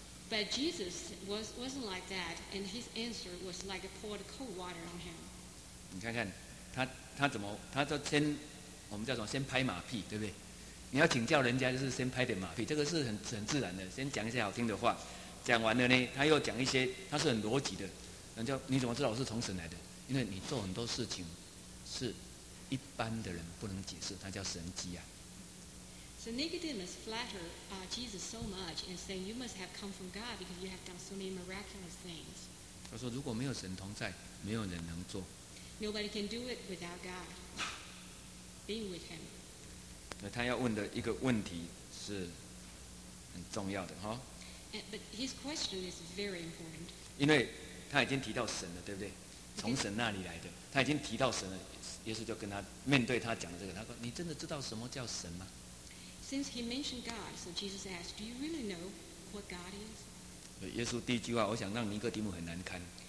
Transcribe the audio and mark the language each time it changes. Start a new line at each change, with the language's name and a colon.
English: But Jesus wasn't like that, and his answer was like poured cold water on him.
Chinese: 你看看，他怎么，他就先，我们叫什么，先拍马屁，对不对？你要请教人家，就是先拍点马屁，这个是很自然的。先讲一些好听的话，讲完了呢，他又讲一些，他是很逻辑的。人家你怎么知道我是从神来的？因为你做很多事情，是一般的人不能解释，他叫神迹啊。
English: So Nicodemus flattered Jesus so much and saying, "You must have come from God because you have done so many miraculous things."
Chinese: 他说如果没有神同在，没有人能做。
English: Nobody can do it without God being with him.
Chinese: 他要问的一个问题是很重要的哈。
English: But his question is very important.
Chinese: 因为他已经提到神了，对不对？从神那里来的，他已经提到神了。耶稣就跟他面对他讲的这个，他说：“你真的知道什么叫神吗
English: ？”Since he mentioned God, so Jesus asked, "Do you really know what God is?"
Chinese: 耶稣第一句话，我想让尼哥底母很难堪。